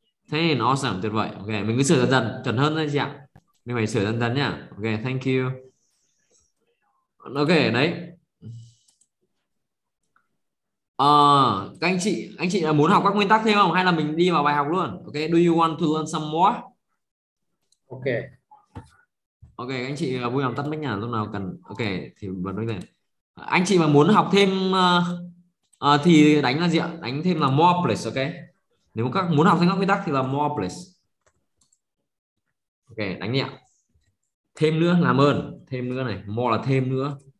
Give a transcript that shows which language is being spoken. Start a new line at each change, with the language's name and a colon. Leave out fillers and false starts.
English: Ten, awesome,
Vietnamese: tuyệt vời. Okay, mình cứ sửa dần dần, chuẩn hơn thôi chị ạ. Mình phải sửa dần dần nhá. Okay,
English: thank you.
Vietnamese: Okay, đấy. Các anh chị là muốn học các nguyên tắc thêm không hay là mình đi vào bài học luôn?
English: Ok, do you want to learn some more? Ok.
Vietnamese: Ok, các anh chị vui lòng tắt mic nhà lúc nào cần. Ok, thì bật mic lên. Anh chị mà muốn học thêm thì đánh là gì ạ? Đánh thêm là more place, ok. Nếu các muốn học thêm các nguyên tắc thì là more place. Ok, đánh đi ạ. Thêm nữa, làm ơn, thêm nữa này, more là thêm nữa.